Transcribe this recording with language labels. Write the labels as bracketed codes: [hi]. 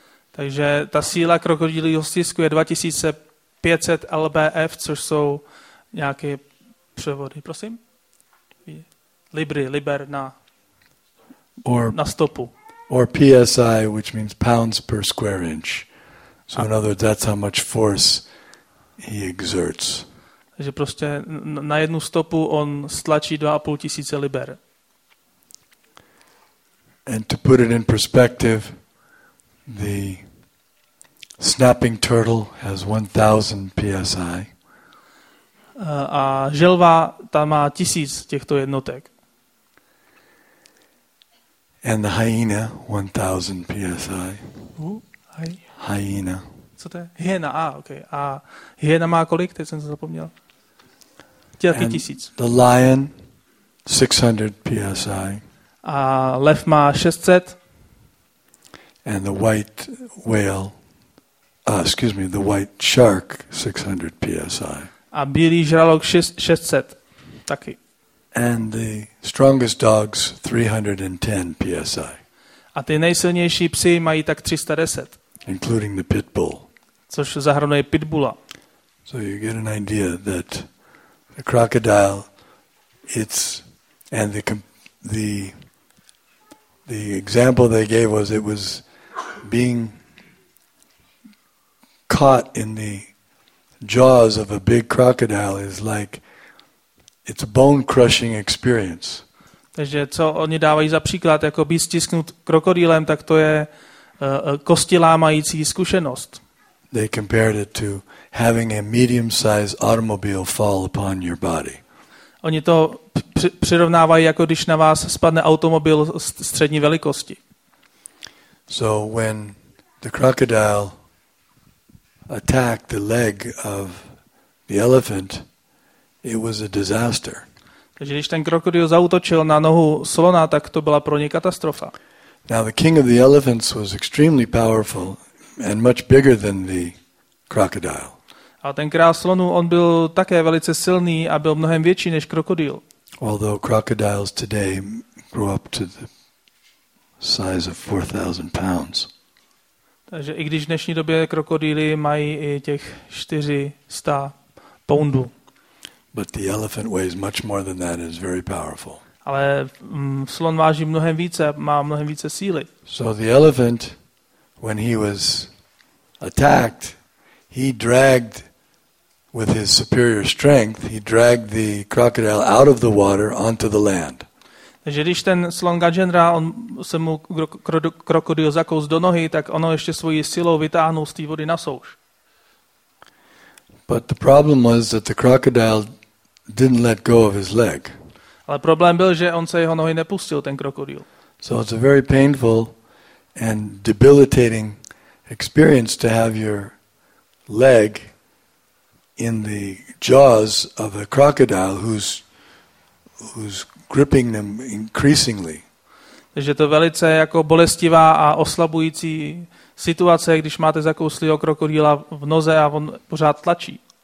[cs] Takže ta síla krokodýlího stisku je 2,500 lbf, což jsou nějaké převody, prosím. Libri, liber na stopu. [en] Or PSI, which means pounds per square inch. So in other words, that's how much force he exerts. [cs] Takže prostě na jednu stopu on stlačí 2,500 liber. [en] And to put it in perspective, the snapping turtle has 1,000 PSI. [cs] A želva ta má 1,000 těchto jednotek. [en] And the hyena, 1,000 PSI. Hyena. [cs] Co to je? Hyena, okay. A hyena má kolik? Teď jsem to zapomněl. Těch 1,000. [en] The lion, 600 PSI. [cs] A lev má 600. [en] And the white whale, the white shark, 600 PSI. [cs] A bílý žralok 600 taky. [en] And the strongest dogs 310 psi. [cs] A ty nejsilnější psi mají tak 310. [en] Including the pit bull. [cs] Což zahrnuje pitbula. [en] So you get an idea that the crocodile, it's and the example they gave was it was being caught in the jaws of a big crocodile is like it's a bone crushing experience. [cs] Takže co oni dávají za příklad, jako být stisknut krokodýlem, tak to je kosti lámající zkušenost. [en] They compared it to having a medium-sized automobile fall upon your body. [cs] Oni to přirovnávají jako když na vás spadne automobil střední velikosti. [en] So when the crocodile attacked the leg of the elephant, it was a disaster. [cs] Takže když ten krokodýl zautočil na nohu slona, tak to byla pro něj katastrofa. [en] Now the king of the elephants was extremely powerful and much bigger than the crocodile. [cs] A ten král slonů, on byl také velice silný a byl mnohem větší než krokodýl. [en] Although crocodiles today grow up to the size of 4,000 pounds. [cs] Takže i když v dnešní době krokodýly mají i těch 400 poundů. [en] But the elephant weighs much more than that and is very powerful. [cs] Ale slon váží mnohem více, má mnohem více síly. [en] So the elephant, when he was attacked, he dragged with his superior strength, he dragged the crocodile out of the water onto the land. [cs] Takže když ten slon Gajendra, on se mu krokodýl zakous do nohy, tak ono ještě svojí silou vytáhnul z té vody na souš. [en] But the problem was that the crocodile didn't let go of his leg. [cs] Ale problém byl, že on se jeho nohy nepustil, ten krokodýl. [en] So it's a very painful and debilitating experience to have your leg in the jaws of a crocodile who's gripping them increasingly. [cs] Takže to velice jako bolestivá a oslabující situace, když máte zakouslého krokodýla v noze a on pořád tlačí.